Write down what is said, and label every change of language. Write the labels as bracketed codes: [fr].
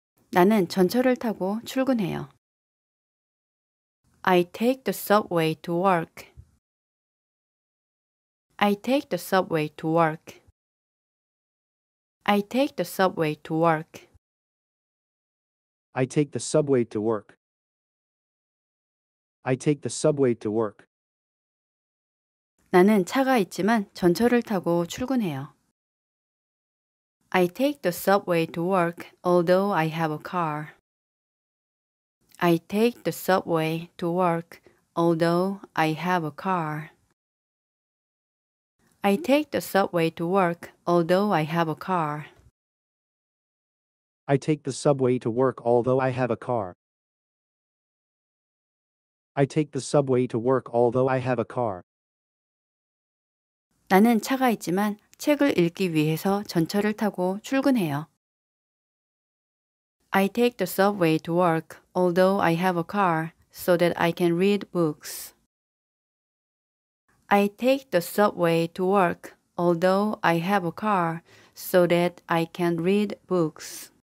[ko] 나는 전철을 타고 출근해요. [en] I take the subway to work. I take the subway to work. I take the subway to work. I take the subway to work. I take the subway to work. [ko] 나는 차가 있지만 전철을 타고 출근해요. [en] I take the subway to work, although I have a car. I take the subway to work, although I have a car. I take the subway to work, although I have a car. I take the subway to work, although I have a car. I take the subway to work, although I have a car. [ko] 나는 차가 있지만 책을 읽기 위해서 전철을 타고 출근해요. [en] I take the subway to work, although I have a car, so that I can read books. I take the subway to work, although I have a car, so that I can read books.